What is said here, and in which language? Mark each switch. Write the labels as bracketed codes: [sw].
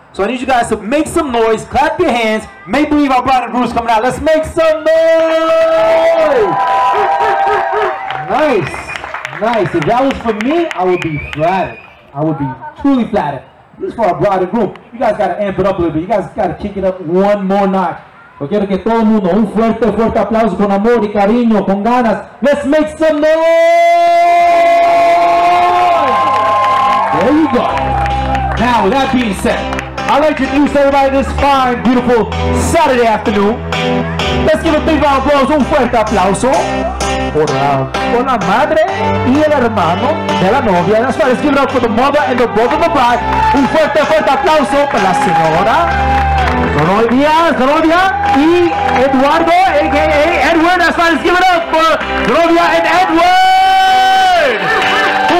[en] So I need you guys to make some noise, clap your hands, make believe our bride and groom's coming out. Let's make some noise! Nice. If that was for me, I would be flattered. I would be truly flattered. This is for our bride and groom. You guys gotta amp it up a little bit. You guys gotta kick it up one more notch. [es] Yo quiero que todo el mundo un fuerte, fuerte aplauso con amor y cariño, con ganas. [en] Let's make some noise! There you go. Now, with that being said, I'd like to introduce everybody this fine, beautiful Saturday afternoon. Let's give a big round of applause, [es] un fuerte aplauso. Por la madre y el hermano de la novia. [en] That's right, let's give it up for the mother and the brother of the bride. [es] Un fuerte, fuerte aplauso para la señora. [en] Zenobia, Zenobia, y Eduardo, a.k.a. Edward. That's right, let's give it up for Zenobia and Edward.